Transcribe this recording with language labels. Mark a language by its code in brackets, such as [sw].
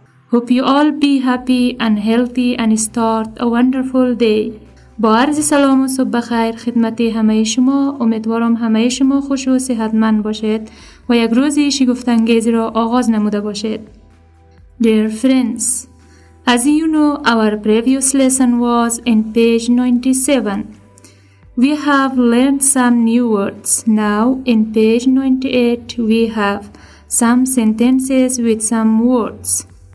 [en] Hope you all be happy and healthy and start a wonderful day. [fa] با عرض سلام و صبح بخیر خدمت همه شما, امیدوارم همه شما خوش و صحتمند باشید و یک روز شگفت‌انگیزی را آغاز نموده باشید. [en] Dear friends, as you know, our previous lesson was in page 97. We have learned some new words. Now, in page 98, we have some sentences with some words.